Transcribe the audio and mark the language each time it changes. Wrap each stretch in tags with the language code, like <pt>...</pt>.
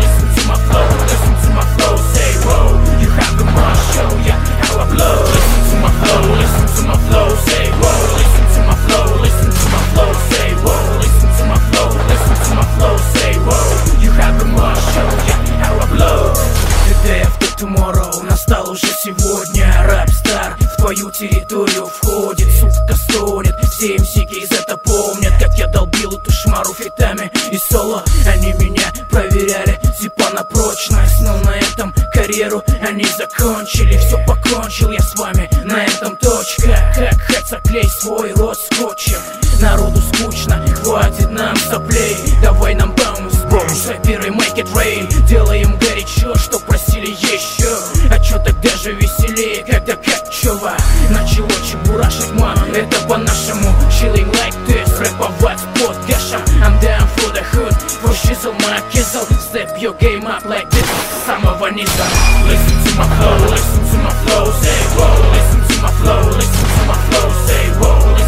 <en>Listen to my flow, listen to my flow, say whoa. You have the mind, show ya how I blow. Listen to my flow, listen to my flow, say whoa. Listen to my flow, listen to my flow, say whoa. Listen to my flow, listen to my flow, say whoa. You have the mind, show ya how I blow. Tomorrow,</en> <ru>настал уже сегодня. Рэп-стар в твою территорию входит. Сука стонет, все МС-ки из это помнят. Как я долбил эту шмару фитами и соло. Они меня проверяли, типа на прочность. Но на этом карьеру они закончили. Все покончил я с вами, на этом точка. Как хоть заклей свой рот скотчем. Народу скучно, хватит нам соплей. Давай нам баунс, баунс. Рэперы,</ru> <en>make it rain.</en> <ru>Делаем горячо, что просили еще. А че тогда же веселее, когда качево. Начало чебурашить, ман, это по-нашему.</ru> <en>Chilling like this,</en> <ru>рэповать под гашем.</ru> <en>I'm down for the hood, for shizzle my kizzle. Step your game up like this,</en> <ru>с самого низа.</ru> <en>Listen to my flow, listen to my flow, say whoa. Listen to my flow, listen to my flow, say whoa.</en>